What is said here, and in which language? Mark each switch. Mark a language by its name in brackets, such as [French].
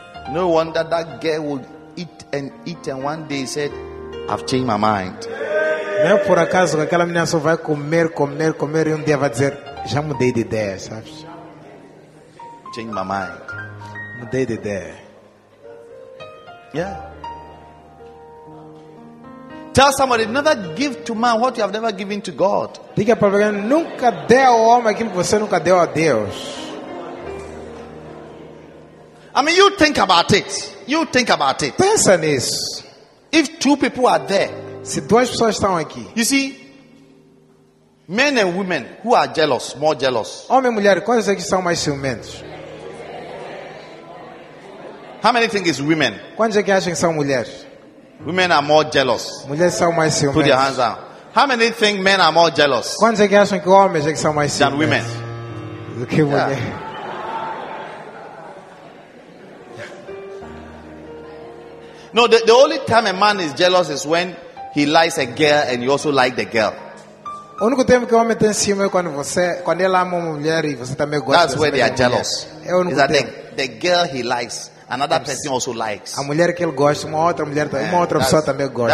[English] No wonder that girl would eat and one day said, I've changed my mind. [Portuguese] Não é por acaso que aquela menina só vai comer e um dia vai dizer, já mudei de ideia, sabes? [English] Change my mind. [Portuguese] Mudei de ideia. [English] Yeah. Tell somebody, never give to man what you have never given to God. [Portuguese] Diga para alguém, nunca dê ao homem aquilo que você nunca deu a Deus. [English] I mean, you think about it. [Portuguese] Pensa nisso. [English] If two people are there, [Portuguese] se duas pessoas estão aqui. [English] You see, men and women who are jealous, more jealous. [Portuguese] Homem e mulher, quais é que são mais ciumentos? [English] How many think is women? [Portuguese] Quantos é que acham que são mulheres? [English] Women are more jealous. [Portuguese] Mulheres são mais ciumentos. [English] Put your hands down. How many think men are more jealous? [Portuguese] Quantos é que acham que homens é que são mais ciumentos? [English] Than women. [Portuguese] Do que mulher. Yeah. [English] No, the only time a man is jealous is when he likes a girl and you also like the girl. [Portuguese] O único tempo que o homem tem ciúme é quando ele ama uma mulher e você também gosta. [English] That's where they are jealous. [Portuguese] É o único tempo. [English] The girl he likes, another person also likes. [Portuguese] A mulher que ele gosta, uma outra pessoa também gosta.